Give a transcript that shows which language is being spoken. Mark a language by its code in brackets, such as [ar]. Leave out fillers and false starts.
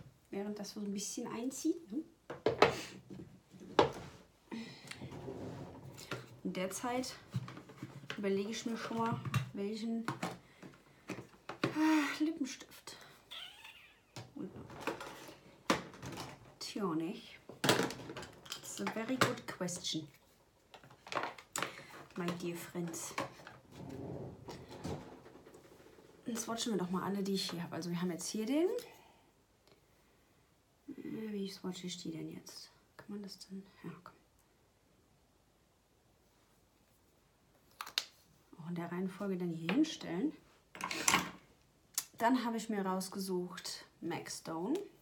[de] Während das so ein bisschen einzieht. In der Zeit überlege ich mir schon mal, welchen Lippenstift. Tja, nicht. [en] It's a very good question, my dear friends. [de] Jetzt swatchen wir doch mal alle, die ich hier habe. Also wir haben jetzt hier den. Wie swatche ich die denn jetzt? Kann man das denn? Ja, komm. Auch in der Reihenfolge dann hier hinstellen. Dann habe ich mir rausgesucht Mac Stone.